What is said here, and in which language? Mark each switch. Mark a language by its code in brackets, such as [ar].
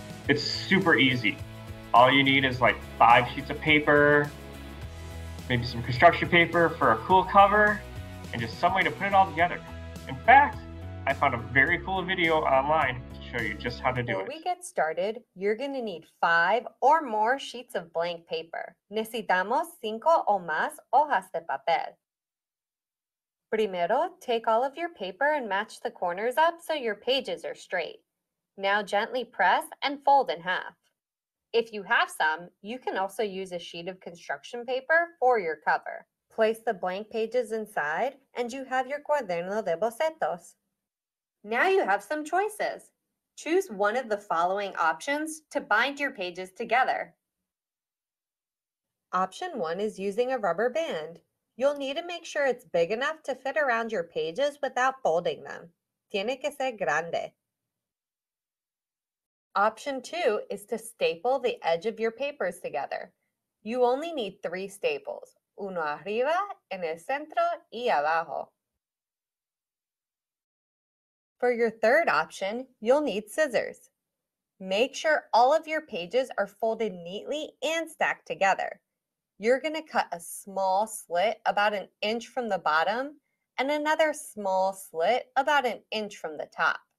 [en] It's super easy. All you need is like 5 sheets of paper, maybe some construction paper for a cool cover, and just some way to put it all together. In fact, I found a very cool video online to show you just how to do it. When we get started, you're going to need 5 or more sheets of blank paper. [es] Necesitamos 5 o más hojas de papel. [en] Primero, take all of your paper and match the corners up so your pages are straight. Now gently press and fold in half. If you have some, you can also use a sheet of construction paper for your cover. Place the blank pages inside, and you have your [es] cuaderno de bocetos. [en] Now you have some choices. Choose one of the following options to bind your pages together. Option 1 is using a rubber band. You'll need to make sure it's big enough to fit around your pages without folding them. [es] Tiene que ser grande. [en] Option two is to staple the edge of your papers together. You only need three staples, [es] uno arriba, en el centro y abajo. [en] For your third option, you'll need scissors. Make sure all of your pages are folded neatly and stacked together. You're going to cut a small slit about an inch from the bottom and another small slit about an inch from the top.